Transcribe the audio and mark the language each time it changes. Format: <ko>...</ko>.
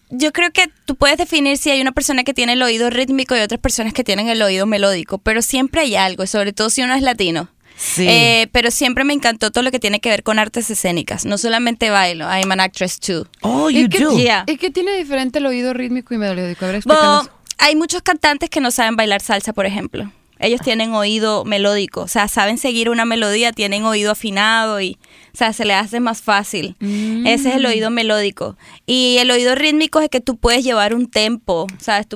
<es>yo creo que tú puedes definir si hay una persona que tiene el oído rítmico y otras personas que tienen el oído melódico, pero siempre hay algo, sobre todo si uno es latino. Sí. Pero siempre me encantó todo lo que tiene que ver con artes escénicas. No solamente bailo,</es> <en>I'm an actress too. Oh, you</en> <es>¿Y</es> <en>do.</en> <es>Qué, yeah. ¿Y qué tiene diferente el oído rítmico y melódico? A ver, explícanos. Bueno, hay muchos cantantes que no saben bailar salsa, por ejemplo. Ellos tienen oído melódico, o sea, saben seguir una melodía, tienen oído afinado y, o sea, se le hace más fácil. Mm. Ese es el oído melódico. Y el oído rítmico es el que tú puedes llevar un tempo, ¿sabes?</es>